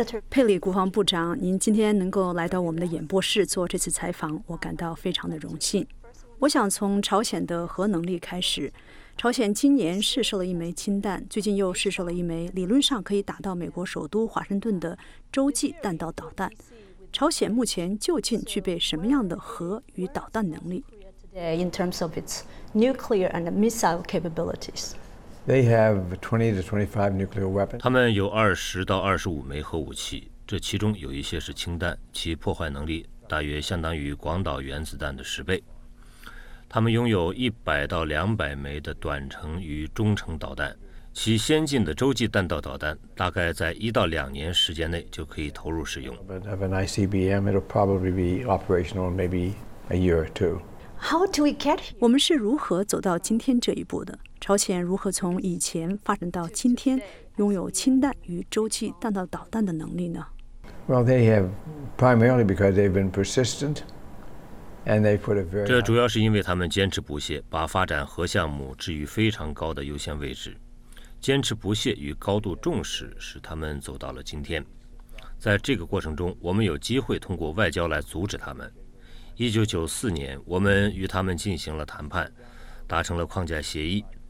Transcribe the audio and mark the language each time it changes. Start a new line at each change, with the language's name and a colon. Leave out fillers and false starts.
Chinese: 佩里国防部长，您今天能够来到我们的演播室做这次采访，我感到非常的荣幸。我想从朝鲜的核能力开始。朝鲜今年试射了一枚氢弹，最近又试射了一枚理论上可以打到美国首都华盛顿的洲际弹道导弹。朝鲜目前究竟具备什么样的核与导弹能力？
English: in terms of its nuclear and missile capabilities. They have 20 to 25 nuclear weapons.
Chinese: 他们有20到25枚核武器，这其中有一些是氢弹，其破坏能力大约相当于广岛原子弹的10倍。他们拥有100到200枚的短程与中程导弹，其先进的洲际弹道导弹大概在1到2年时间内就可以投入使用。
English: But of an ICBM, it'll probably be operational maybe a year or two. How do we get here?
Chinese: 我们是如何走到今天这一步的？朝鲜如何从以前发展到今天，拥有氢弹与洲际弹道导弹的能力呢？
English: Well, they have primarily because they've been persistent.
Chinese: 这主要是因为他们坚持不懈，把发展核项目置于非常高的优先位置。坚持不懈与高度重视使他们走到了今天。在这个过程中，我们有机会通过外交来阻止他们。 1994年，我们与他们进行了谈判，达成了框架协议。